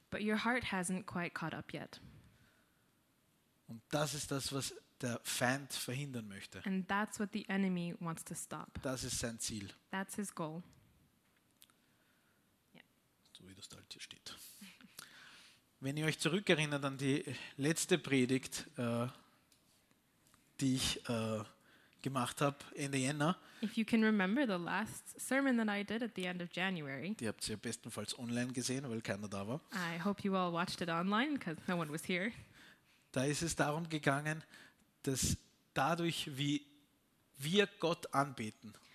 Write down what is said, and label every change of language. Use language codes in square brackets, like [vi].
[en] But your heart hasn't quite caught up yet. [de] Und das ist das, was der Feind verhindern möchte. [en] And that's what the enemy wants to stop. [de] Das ist sein Ziel. [en] That's his goal. [de] So wie das da halt hier steht. Wenn ihr euch zurückerinnert an die letzte Predigt, die ich gemacht habe Ende Jänner. [en] If you can remember the last sermon that I did at the end of January. [de] Die habt ihr bestenfalls online gesehen, weil keiner da war. [en] I hope you all watched it online, because no one was here. [de] Da ist es darum gegangen, dass dadurch, wie wir Gott anbeten,